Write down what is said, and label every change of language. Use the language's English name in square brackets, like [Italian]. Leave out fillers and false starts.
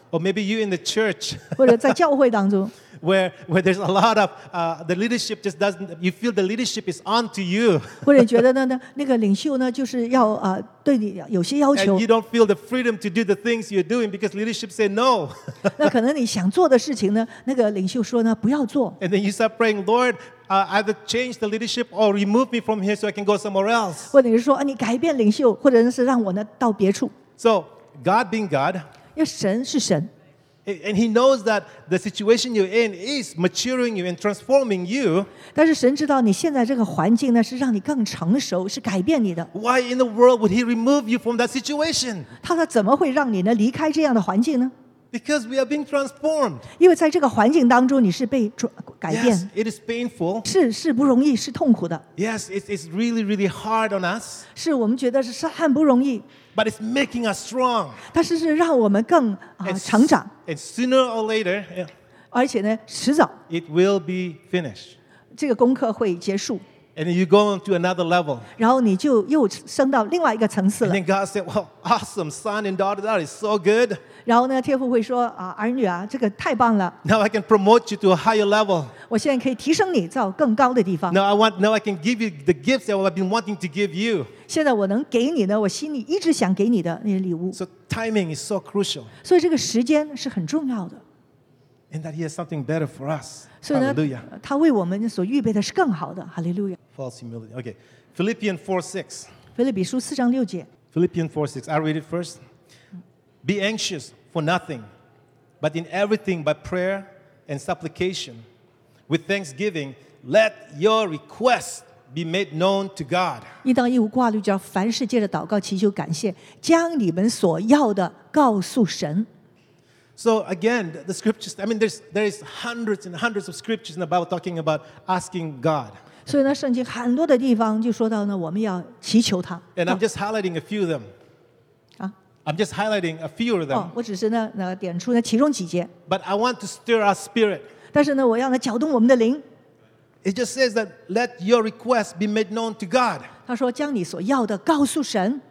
[English] Or maybe you in the church. [Chinese] 或者在教会当中。 [English] Where there's a lot of the leadership just doesn't. You feel the leadership is on to you. [Chinese] 或者觉得呢，那个领袖呢，就是要对你有些要求。 [English] And you don't feel the freedom to do the things you're doing because leadership say no. [Chinese] 那可能你想做的事情呢，那个领袖说呢，不要做。 [English] And then you start praying, Lord, either change the leadership or remove me from here so I can go somewhere else. [Chinese] 或者你说啊，你改变领袖，或者是让我呢到别处。 [English] So God being God. [Chinese] 因为神是神。 [English] And he knows that the situation you're in is maturing you and transforming you. [Chinese] 但是神知道你现在这个环境呢是让你更成熟，是改变你的。 [English] Why in the world would he remove you from that situation? [Chinese] 他怎么会让你呢离开这样的环境呢？ [English] Because we are being transformed. [Chinese] 因为在这个环境当中你是被改变。 [English] Yes, it is painful. [Chinese] 是不容易，是痛苦的。 [English] Yes, it's really, really hard on us. [Chinese] 是我们觉得是很不容易。 [English] But it's making us strong. [Chinese] 但是是让我们更成长。 [English] And sooner or later, yeah, [Chinese] 而且呢，迟早 [English] it will be finished. [Chinese] 这个功课会结束。 [English] And you go on to another level. [Chinese] 然后你就又升到另外一个层次了。 [English] And then God said, "Well, awesome, son and daughter, that is so good." [Chinese] 然后呢，天父会说啊，儿女啊，这个太棒了。 [English] Now I can promote you to a higher level. [Chinese] 我现在可以提升你到更高的地方。 [English] Now I can give you the gifts that I've been wanting to give you. [Chinese] 现在我能给你呢，我心里一直想给你的那些礼物。 [English] So timing is so crucial. [Chinese] 所以这个时间是很重要的。 [English] And that He has something better for us. Hallelujah. [Chinese] 他为我们所预备的是更好的。 [English] Hallelujah. False humility. Okay. Philippians 4:6. [Chinese] 腓立比书四章六节。 [English] Philippians 4:6. I read it first. Be anxious for nothing, but in everything by prayer and supplication, with thanksgiving, let your requests be made known to God. [Chinese] 应当一无挂虑，就要凡事借着祷告祈求感谢，将你们所要的告诉神。 [English] So again, the scriptures, I mean, there's hundreds and hundreds of scriptures in the Bible talking about asking God. [Chinese] 所以呢，圣经很多的地方就说到呢，我们要祈求他。 [English] And I'm just highlighting a few of them. I'm just highlighting a few of them. [Chinese] 我只是呢，点出呢其中几节。 [English] But I want to stir our spirit. [Chinese] 但是呢，我要呢搅动我们的灵。 [English] It just says that let your request be made known to God. [Chinese] 他说将你所要的告诉神。